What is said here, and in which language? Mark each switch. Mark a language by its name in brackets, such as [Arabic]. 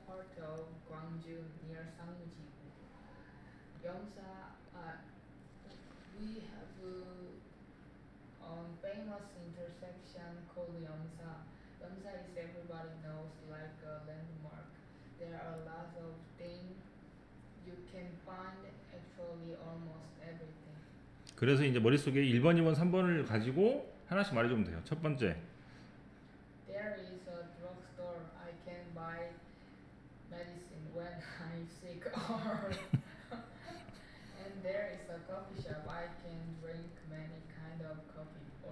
[English] part of Gwangju near Sangju. 영사 we have a famous intersection called 염사. 염사 is everybody knows like a landmark. There are lots of things you can find actually almost everything. [Korean] 그래서 이제 머릿속에 1번, 2번, 3번을 가지고 하나씩 말해주면 돼요. 첫 번째. [English] There is a drugstore. I can buy medicine when I'm sick or and there is a coffee shop. I can drink many kind of coffee.